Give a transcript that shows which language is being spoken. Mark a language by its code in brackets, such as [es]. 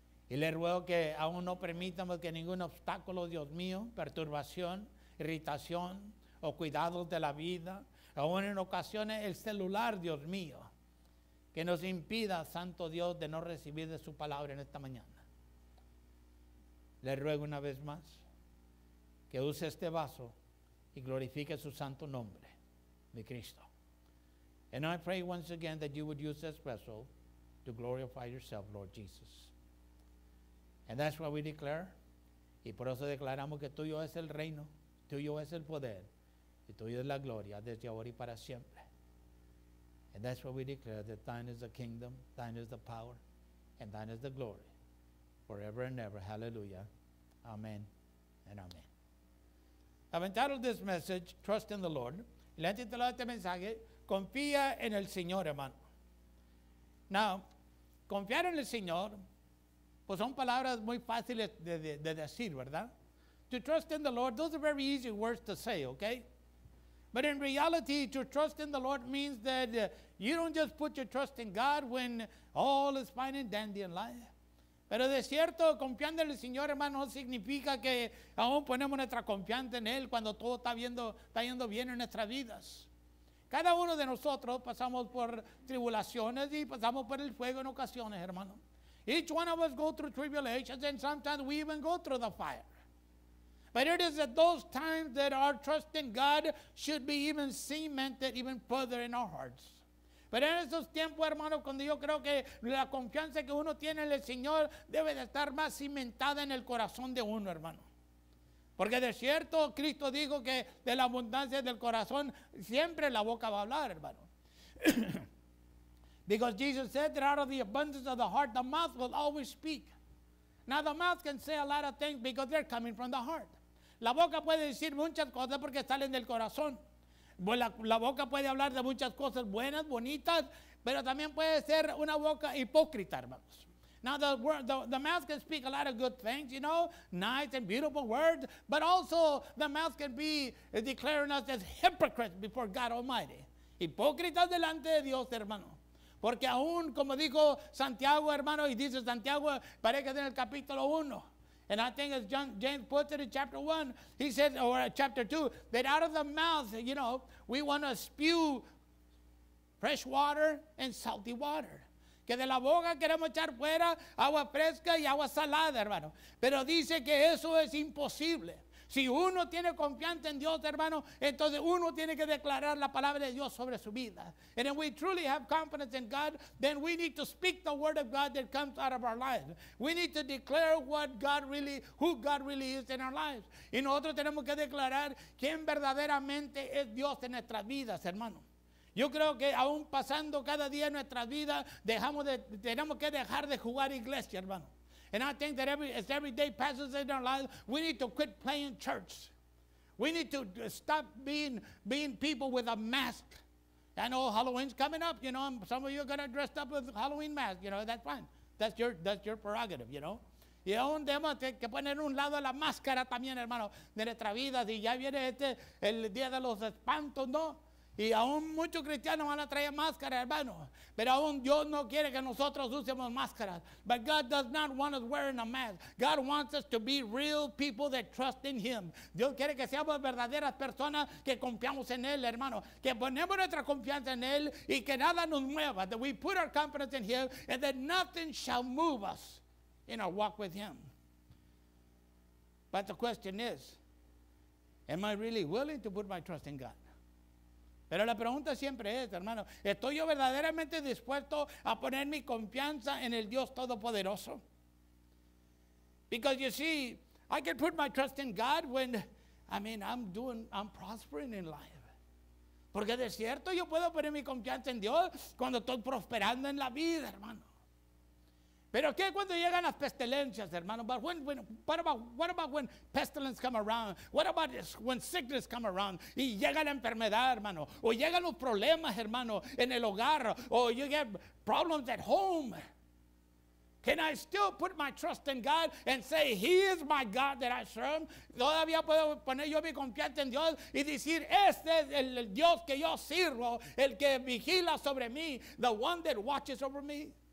[es] Y le ruego que aún no permitamos que ningún obstáculo, Dios mío, perturbación, irritación, o cuidados de la vida, aún en ocasiones el celular, Dios mío, que nos impida, Santo Dios, de no recibir de su palabra en esta mañana. Le ruego una vez más que use este vaso y glorifique su santo nombre, mi Cristo. [en] And I pray once again that you would use this vessel to glorify yourself, Lord Jesus. And that's what we declare. [es] Y por eso declaramos que tuyo es el reino, tuyo es el poder, y tuyo es la gloria desde ahora y para siempre. [en] And that's what we declare, that thine is the kingdom, thine is the power, and thine is the glory, forever and ever. Hallelujah. Amen and amen. I've entitled this message, Trust in the Lord. [es] Le he titulado este mensaje, Confía en el Señor, hermano. Now, confiar en el Señor, pues son palabras muy fáciles de decir, ¿verdad? [en] To trust in the Lord, those are very easy words to say, okay? But in reality, to trust in the Lord means that you don't just put your trust in God when all is fine and dandy in life. [es] Pero de cierto, confiando en el Señor, hermano, no significa que aún ponemos nuestra confianza en Él cuando todo está yendo bien en nuestras vidas. Cada uno de nosotros pasamos por tribulaciones y pasamos por el fuego en ocasiones, hermano. [en] Each one of us go through tribulations and sometimes we even go through the fire. But it is at those times that our trust in God should be even cemented even further in our hearts. [es] Pero en esos tiempos, hermano, cuando yo creo que la confianza que uno tiene en el Señor debe de estar más cimentada en el corazón de uno, hermano. Porque de cierto, Cristo dijo que de la abundancia del corazón siempre la boca va a hablar, hermano. [en] Because Jesus said that out of the abundance of the heart, the mouth will always speak. Now the mouth can say a lot of things because they're coming from the heart. [es] La boca puede decir muchas cosas porque salen del corazón. La boca puede hablar de muchas cosas buenas, bonitas, pero también puede ser una boca hipócrita, hermanos. [en] Now the mouth can speak a lot of good things, you know, nice and beautiful words, but also the mouth can be declaring us as hypocrites before God Almighty. [es] Hipócritas delante de Dios, hermano. Porque aún, como dijo Santiago, hermano, y dice Santiago, parece que en el capítulo 1. [en] And I think as James puts it in chapter 1, he says, or chapter 2, that out of the mouth, you know, we want to spew fresh water and salty water. [es] Que de la boca queremos echar fuera agua fresca y agua salada, hermano. Pero dice que eso es imposible. Si uno tiene confianza en Dios, hermano, entonces uno tiene que declarar la palabra de Dios sobre su vida. [en] And if we truly have confidence in God, then we need to speak the word of God that comes out of our life. We need to declare what God really, who God really is in our lives. [es] Y nosotros tenemos que declarar quién verdaderamente es Dios en nuestras vidas, hermano. Yo creo que aún pasando cada día en nuestras vidas, tenemos que dejar de jugar iglesia, hermano. [en] And I think that as every day passes in our lives, we need to quit playing church. We need to stop being people with a mask. I know Halloween's coming up, you know, and some of you are going to dress up with Halloween mask, you know, that's fine. That's your prerogative, you know. [es] Y aún tenemos que poner un lado la máscara también, hermano, de nuestra vida. Si ya viene el día de los espantos, ¿no? Y aún muchos cristianos van a traer máscaras, hermano. Pero aún Dios no quiere que nosotros usemos máscaras. [en] But God does not want us wearing a mask. God wants us to be real people that trust in Him. [es] Dios quiere que seamos verdaderas personas que confiamos en Él, hermano. Que ponemos nuestra confianza en Él y que nada nos mueva. [en] That we put our confidence in Him and that nothing shall move us in our walk with Him. But the question is, am I really willing to put my trust in God? [es] Pero la pregunta siempre es, hermano, ¿estoy yo verdaderamente dispuesto a poner mi confianza en el Dios Todopoderoso? [en] Because you see, I can put my trust in God when, I mean, I'm prospering in life. [es] Porque de cierto yo puedo poner mi confianza en Dios cuando estoy prosperando en la vida, hermano. Pero ¿qué cuando llegan las pestilencias, hermano? [en] But what about when pestilence come around? What about this, when sickness come around? [es] Y llega la enfermedad, hermano. O llegan los problemas, hermano, en el hogar. [en] O you get problems at home. Can I still put my trust in God and say, He is my God that I serve? [es] ¿Todavía puedo poner yo mi confianza en Dios y decir, este es el Dios que yo sirvo, el que vigila sobre mí, [en] the one that watches over me?